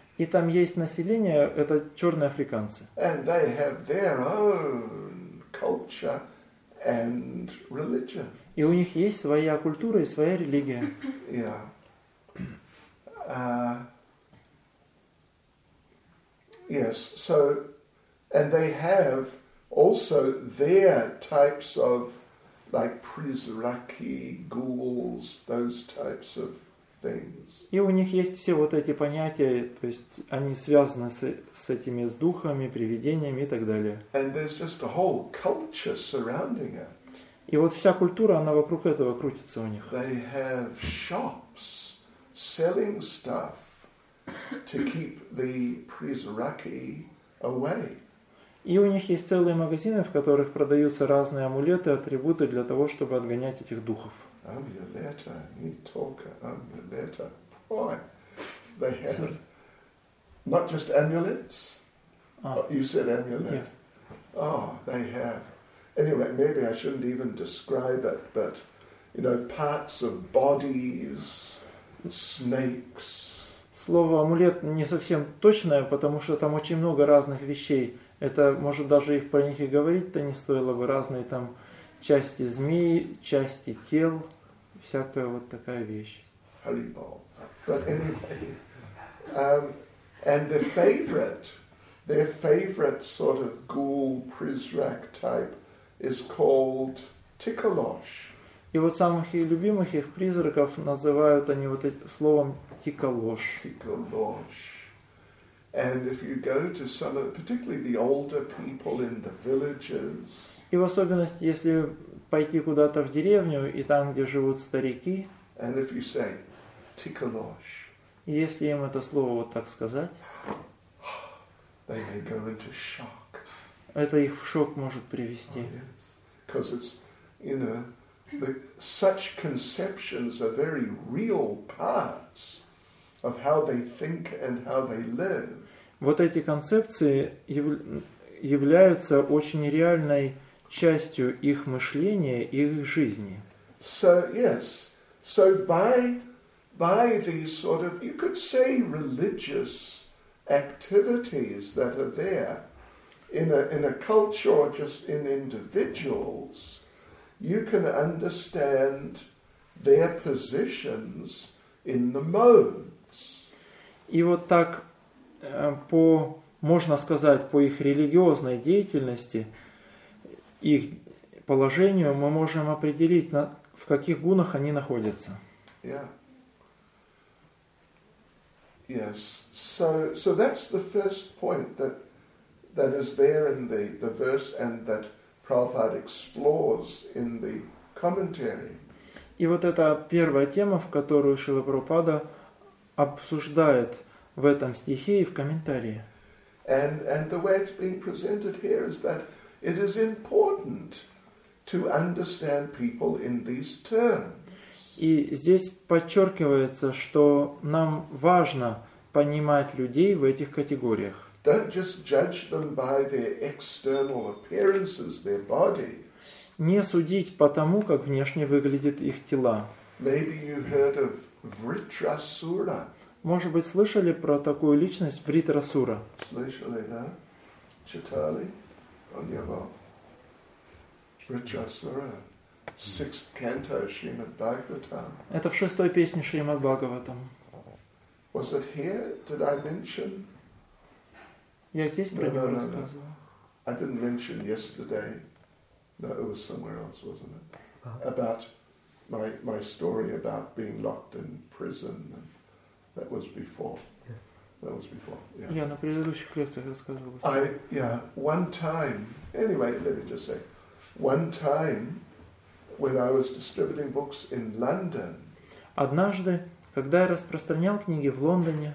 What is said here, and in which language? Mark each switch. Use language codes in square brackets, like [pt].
[ru] И там есть население, это черные африканцы. [en] And they have their own culture and religion. [ru] И у них есть своя культура и своя религия. [en] Yeah. Yes. So, and they have also their types of, like, prizraki, ghouls, those types of things. [ru] И у них есть все вот эти понятия, то есть они связаны с этими с духами, привидениями и так далее. [en] And there's just a whole culture surrounding it. [ru] И вот вся культура, она вокруг этого крутится у них. [en] They have shops selling stuff to keep the prizraki away. [ru] И у них есть целые магазины, в которых продаются разные амулеты, атрибуты для того, чтобы отгонять этих духов. Амулета, не только амулета. [en] Why? They have Sorry. Not just amulets. Oh, you said amulet. Yeah. Oh, they have. Anyway, maybe I shouldn't even describe it, but, you know, parts of bodies, snakes. [ru] Слово амулет не совсем точное, потому что там очень много разных вещей. Это, может, даже их про них и говорить-то не стоило бы. Разные там части змеи, части тел, всякая вот такая вещь. Харибол. [en] But anyway, and their favorite sort of ghoul, prizrak type, is called Tikalosh. [ru] И вот самых их любимых их призраков называют они вот этим словом Tikalosh. Tikalosh. [en] And if you go to some of, particularly the older people in the villages. [ru] И в особенности, если пойти куда-то в деревню и там, где живут старики. [en] And if you say Tikalosh. [ru] Если им это слово вот так сказать. [en] They may go into shock. [ru] Это их в шок может привести. [en] Oh, yes. Because it's, you know, such conceptions are very real parts of how they think and how they live. [ru] Вот эти концепции являются очень реальной частью их мышления и их жизни. [en] So, yes. So, by these sort of, you could say, religious activities that are there, in a culture or just in individuals, you can understand their positions in the modes. [ru] И вот так, можно сказать, по их религиозной деятельности, их положению, мы можем определить, в каких гунах они находятся. [en] Yeah. Yes. So that's the first point that is there in the verse, and that Prabhupada explores in the commentary. [ru] И вот это первая тема, в которую Шрила Прабхупада обсуждает в этом стихе и в комментарии. [en] And the way it's being presented here is that it is important to understand people in these terms. [ru] И здесь подчеркивается, что нам важно понимать людей в этих категориях. [en] Don't just judge them by their external appearances, their body. [ru] Не судить по тому, как внешне выглядят их тела. [en] Maybe you've heard of Vritrasura. [ru] Может быть, слышали про такую личность Вритрасура? Слышали, да? Читали о него. Вритрасура. [en] Sixth canto Srimad Bhagavatam. [ru] Это в шестой песне Шримад Бхагаватам. [en] Was it here? Did I mention? [ru] Я здесь про него рассказывал. [en] I didn't mention yesterday. No, it was somewhere else, wasn't it? About my story about being locked in prison. That was before. That was before. [ru] Я на предыдущих лекциях рассказывал. [en] One time. Anyway, let me just say, one time when I was distributing books in London. [ru] Однажды, когда я распространял книги в Лондоне.